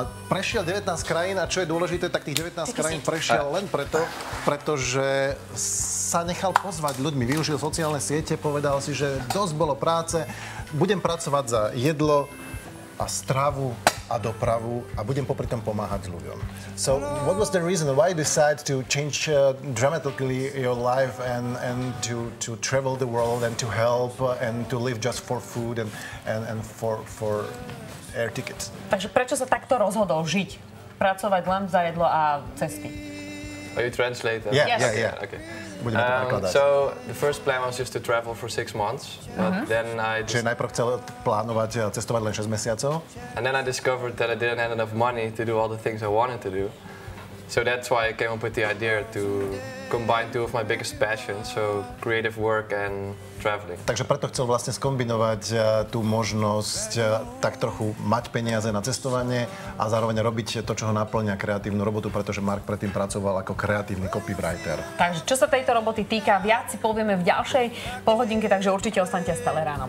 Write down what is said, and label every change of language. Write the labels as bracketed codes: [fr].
[sk] Prešiel 19 krajín a čo je dôležité, tak tých 19 krajín prešiel len preto, pretože sa nechal pozvať ľuďmi, využil sociálne siete, povedal si, že dosť bolo práce, budem pracovať za jedlo a stravu a dopravu a budem popri tom pomáhať ľuďom. [en] So what was the reason why you decided to change dramatically your life and to travel the world and to help and to live just for food and for air tickets? [sk] Takže prečo sa takto rozhodol žiť, pracovať len za jedlo a cesty? [en] Are you translator? Yeah. So the first plan was just to travel for 6 months, but then I just... [sk] Čiže najprv chcel plánovať cestovať len 6 mesiacov? [en] And then I discovered that I didn't have enough money to do all the things I wanted to do. So that's why I came up with the idea to combine two of my biggest passions, so creative work and traveling. [sk] Takže preto chcel vlastne skombinovať tú možnosť tak trochu mať peniaze na cestovanie a zároveň robiť to, čo ho naplňa, kreatívnu robotu, pretože Mark predtým pracoval ako kreatívny copywriter. Takže čo sa tejto roboty týka, viac si povieme v ďalšej polhodinke, takže určite ostaňte stále ráno.